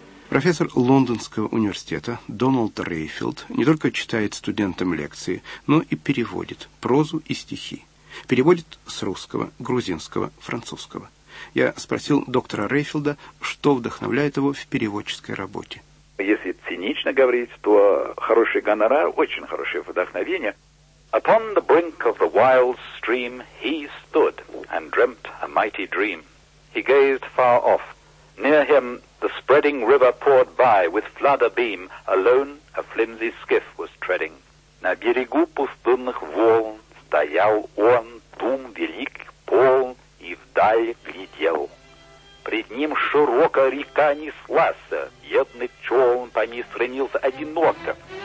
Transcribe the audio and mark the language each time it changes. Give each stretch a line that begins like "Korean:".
Russian: Профессор Лондонского университета Дональд Рейфилд не только читает студентам лекции, но и переводит прозу и стихи. Переводит с русского, грузинского, французского. Я спросил доктора Рейфилда, что вдохновляет его в переводческой работе. Если цинично говорить, то хороший гонорар, очень хорошее вдохновение.
English: Upon the brink of the wild stream he stood and dreamt a mighty dream. He gazed far off. Near him the spreading river poured by with flood abeam. Alone a flimsy skiff was treading.
Russian: На берегу пустынных волн стоял он, дум велик, полн, и вдаль глядел. Пред ним широко река неслася, бедный челн по ней стремился одиноко.